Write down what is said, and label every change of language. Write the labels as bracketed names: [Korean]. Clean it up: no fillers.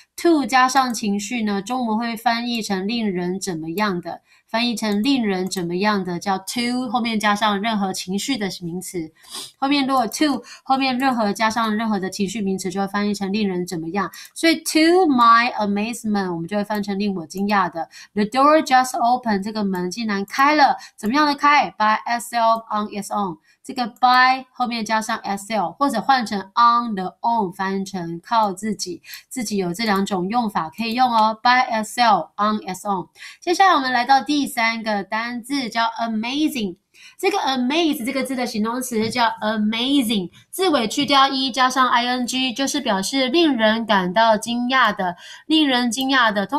[Chinese] to 加上情绪呢，中文会翻译成令人怎么样的，翻译成令人怎么样的叫 to，后面加上任何情绪的名词，后面如果 to 后面任何加上任何的情绪名词，就会翻译成令人怎么样。所以 [English] to my amazement， [Chinese] 我们就会翻成令我惊讶的。 [English] The door just opened， [Chinese] 这个门竟然开了，怎么样的开？ [English] By itself on its own。 [Chinese] 这个 by 后面加上 itself，或者换成 [English] on the own， [Chinese] 翻成靠自己。自己有这两种用法可以用哦， [English] by itself on its own。 [Chinese] 接下来我们来到第三个单字，叫 amazing。这个 amaze 这个字的形容词叫 amazing，字尾去掉 e 加上 ing，就是表示令人感到惊讶的，令人惊讶的。